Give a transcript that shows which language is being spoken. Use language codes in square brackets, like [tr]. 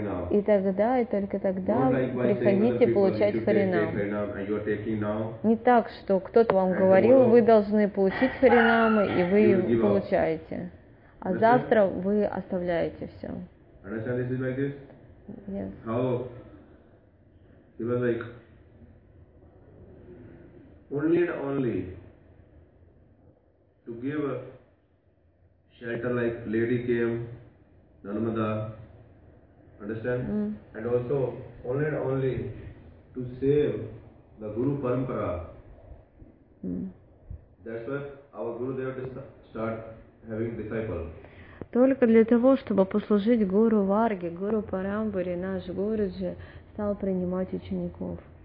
[ru] И тогда, и только тогда приходите получать Харинам. Не так, что кто-то вам говорил, вы должны получить Харинамы, и вы получаете. А завтра вы оставляете все. [en] Understand this is like this? Yes. How? He was like, only and only to give a shelter like lady came, Narmada, understand? Mm. And also, only and only to save the Guru Parampara. Mm. That's why our Guru Dev start having disciple. [ru] Только для того, чтобы послужить Гуру Варге, Гуру Парамбуре, наш Гуруджи стал принимать учеников.